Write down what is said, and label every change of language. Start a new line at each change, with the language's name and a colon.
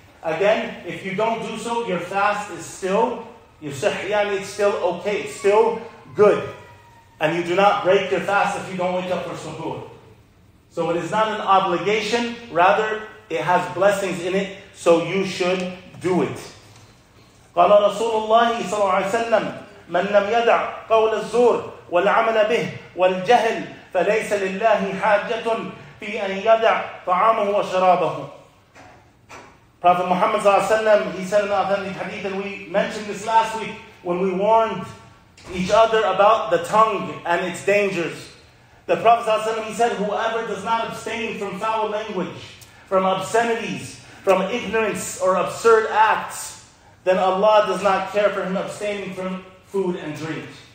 English: Again, if you don't do so, your fast is still, your sahiyani, it's still okay, it's still good. And you do not break your fast if you don't wake up for suhoor. So it is not an obligation, rather it has blessings in it, so you should do it.
Arabic: قال رسول الله صلى الله عليه وسلم من لم يدع قول الزور والعمل به والجهل فليس لله حاجة في أن يدع طعامه وشرابه.
English: Prophet Muhammad
Arabic: صلى الله عليه وسلم,
English: he said in the authentic hadith, and we mentioned this last week when we warned each other about the tongue and its dangers. The Prophet
Arabic: صلى الله عليه وسلم,
English: he said, whoever does not abstain from foul language, from obscenities, from ignorance or absurd acts, then Allah does not care for him abstaining from food and drink.